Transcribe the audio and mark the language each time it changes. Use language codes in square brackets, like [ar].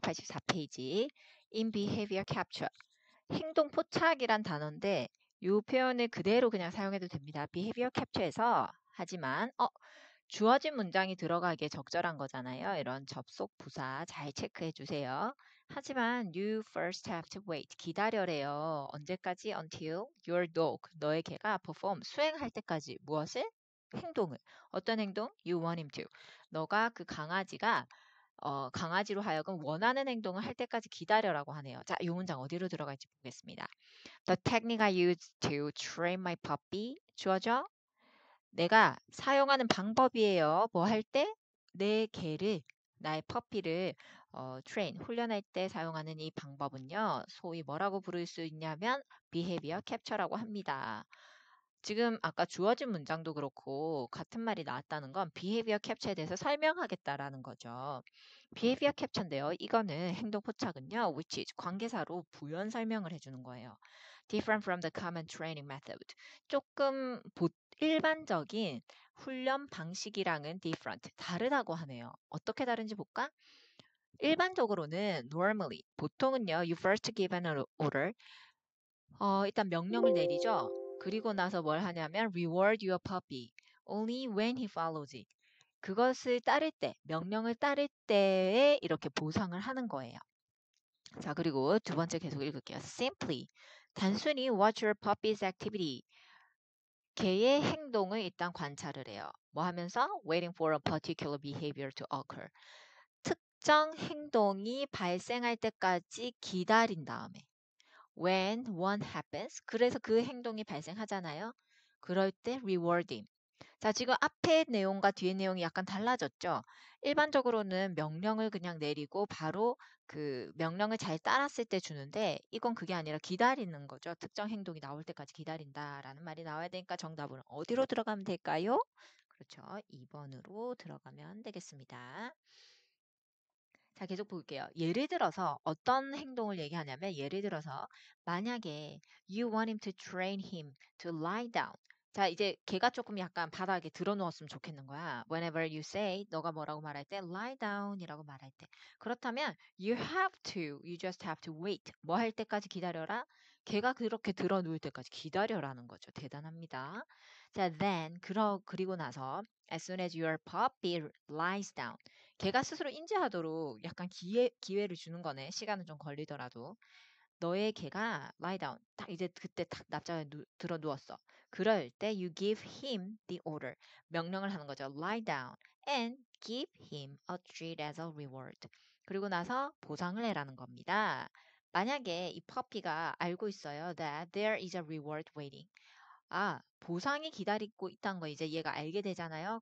[en] 84페이지. In behavior capture. [ko] 행동 포착이란 단어인데 요 표현을 그대로 그냥 사용해도 됩니다. behavior capture에서 하지만 주어진 문장이 들어가기에 적절한 거잖아요. 이런 접속 부사 잘 체크해 주세요. [en] 하지만 you first have to wait. [ko] 기다려래요. 언제까지? [en] Until your dog. [ko] 너의 개가 perform 수행할 때까지 무엇을? 행동을. 어떤 행동? [en] You want him to. [ko] 너가 그 강아지가 강아지로 하여금 원하는 행동을 할 때까지 기다려라고 하네요. 자, 이 문장 어디로 들어갈지 보겠습니다. [en] The technique I use to train my puppy. [ko] 주어져? 내가 사용하는 방법이에요. 뭐할 때? 내 개를, 나의 퍼피를 train, 훈련할 때 사용하는 이 방법은요. 소위 뭐라고 부를 수 있냐면 behavior capture라고 합니다. 지금 아까 주어진 문장도 그렇고 같은 말이 나왔다는 건 behavior capture에 대해서 설명하겠다라는 거죠. behavior capture인데요. 이거는 행동 포착은요. [en] which is [ko] 관계사로 부연 설명을 해주는 거예요. [en] different from the common training method. [ko] 조금 일반적인 훈련 방식이랑은 different. 다르다고 하네요. 어떻게 다른지 볼까? 일반적으로는 normally. 보통은요. [en] you first give an order. [ko] 일단 명령을 내리죠. 그리고 나서 뭘 하냐면 [en] reward your puppy only when he follows it. [ko] 그것을 따를 때, 명령을 따를 때에 이렇게 보상을 하는 거예요. 자, 그리고 두 번째 계속 읽을게요. [en] simply 단순히 watch your puppy's activity. [ko] 개의 행동을 일단 관찰을 해요. 뭐 하면서 [en] waiting for a particular behavior to occur. [ko] 특정 행동이 발생할 때까지 기다린 다음에 [en] When one happens, [ko] 그래서 그 행동이 발생하잖아요. 그럴 때 rewarding. 자, 지금 앞에 내용과 뒤에 내용이 약간 달라졌죠? 일반적으로는 명령을 그냥 내리고 바로 그 명령을 잘 따랐을 때 주는데 이건 그게 아니라 기다리는 거죠. 특정 행동이 나올 때까지 기다린다라는 말이 나와야 되니까 정답은 어디로 들어가면 될까요? 그렇죠. 2번으로 들어가면 되겠습니다. 자, 계속 볼게요. 예를 들어서 어떤 행동을 얘기하냐면 예를 들어서 만약에 [en] you want him to train him to lie down. [ko] 자, 이제 걔가 조금 약간 바닥에 드러누웠으면 좋겠는 거야. [en] Whenever you say [ko] 너가 뭐라고 말할 때 lie down이라고 말할 때. [en] 그렇다면 you just have to wait. [ko] 뭐할 때까지 기다려라. 걔가 그렇게 드러누울 때까지 기다려라는 거죠. 대단합니다. [en] 자, then [ko] 그리고 나서 [en] As soon as your puppy lies down. [ko] 걔가 스스로 인지하도록 약간 기회를 주는 거네. 시간은 좀 걸리더라도. 너의 걔가 lie down. 딱 이제 그때 딱 납작에 들어 누웠어. 그럴 때 [en] you give him the order. [ko] 명령을 하는 거죠. [en] lie down and give him a treat as a reward. [ko] 그리고 나서 보상을 해라는 겁니다. 만약에 이 퍼피가 알고 있어요. [en] that there is a reward waiting. [ko] 아, 보상이 기다리고 있다는 거 이제 얘가 알게 되잖아요.